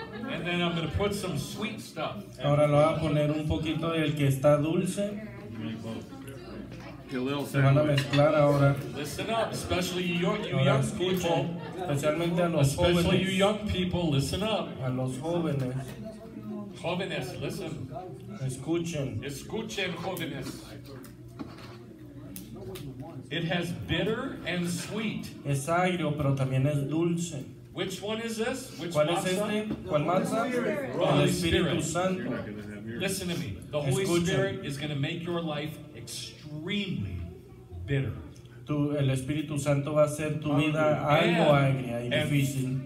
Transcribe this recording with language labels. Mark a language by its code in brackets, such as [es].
[en] And then I'm going to put some sweet stuff. [es] Ahora lo voy a poner un poquito del que está dulce. Se van a mezclar ahora. [en] Listen up, especially you young people. [es] Especialmente a los [en] especially [es] jóvenes. [en] Especially you young people, listen up. [es] A los jóvenes. Jóvenes, [en] listen. [es] Escuchen. Escuchen, jóvenes. [en] It has bitter and sweet. [es] Es agrio, pero también es dulce. [en] Which one is this? Which [es] ¿cuál es este? ¿Cuál matza? El Espíritu Santo. [en] Listen to me. The Holy Spirit is going to make your life extremely bitter. [es] El Espíritu Santo va a hacer tu vida algo agria y difícil.